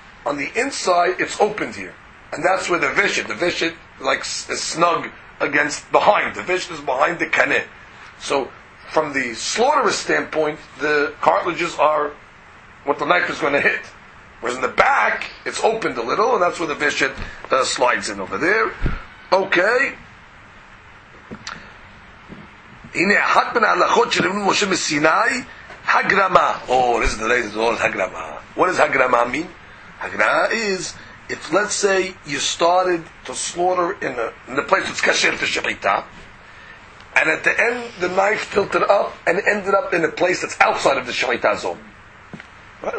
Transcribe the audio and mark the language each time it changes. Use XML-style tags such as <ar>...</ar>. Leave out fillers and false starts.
<en>On the inside, it's opened here. And that's where the vishit, like, is snug against behind. The vishit is behind the kane. So from the slaughterer's standpoint, the cartilages are what the knife is going to hit. Whereas in the back, it's opened a little, and that's where the vishit slides in over there. Okay.</en> <he>הנה אחת מן ההלכות שנמנו משה מסיני, הגרמה.</he> <en>Oh, this is the latest word, הגרמה. What does הגרמה mean? הגרמה is, if let's say you started to slaughter in the place that's kasher for שחיטה, and at the end the knife tilted up and ended up in a place that's outside of the שחיטה zone. Right?</en>